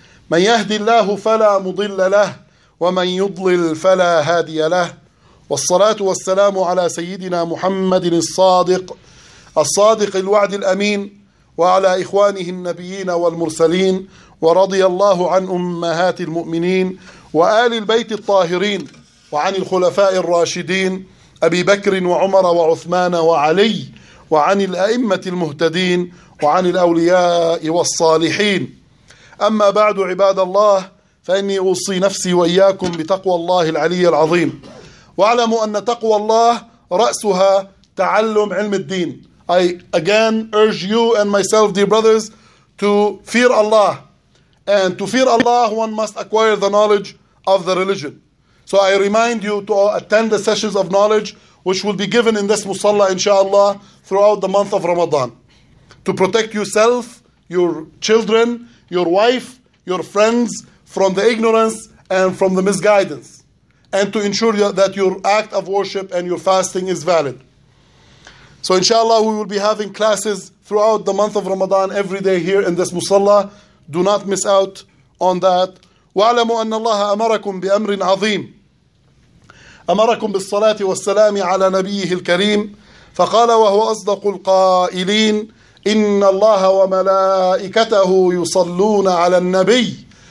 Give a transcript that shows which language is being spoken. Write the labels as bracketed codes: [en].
[ar] من يهدي الله فلا مضل له ومن يضلل فلا هادي له, والصلاة والسلام على سيدنا محمد الصادق الصادق الوعد الأمين وعلى إخوانه النبيين والمرسلين, ورضي الله عن أمهات المؤمنين وآل البيت الطاهرين وعن الخلفاء الراشدين أبي بكر وعمر وعثمان وعلي وعن الأئمة المهتدين وعن الأولياء والصالحين. أما بعد عباد الله, فإني أوصي نفسي وإياكم بتقوى الله العلي العظيم, واعلموا أن تقوى الله رأسها تعلم علم الدين. [en] I again urge you and myself, dear brothers, to fear Allah. And to fear Allah, one must acquire the knowledge of the religion. So I remind you to attend the sessions of knowledge which will be given in this Musalla, inshallah, throughout the month of Ramadan. To protect yourself, your children, your wife, your friends from the ignorance and from the misguidance, and to ensure that your act of worship and your fasting is valid. So inshallah, we will be having classes throughout the month of Ramadan every day here in this Musalla. Do not miss out on that. [ar] وَعْلَمُوا أَنَّ اللَّهَ أَمَرَكُمْ بِأَمْرٍ عَظِيمٍ أَمَرَكُمْ بِالصَّلَاةِ وَالسَّلَامِ عَلَى نَبِيِّهِ الْكَرِيمِ فَقَالَ وَهُوَ أَصْدَقُ الْقَائِلِينَ إِنَّ اللَّهَ وَمَلَائِكَتَهُ يُصَلُّونَ عَلَى النَّبِيِّ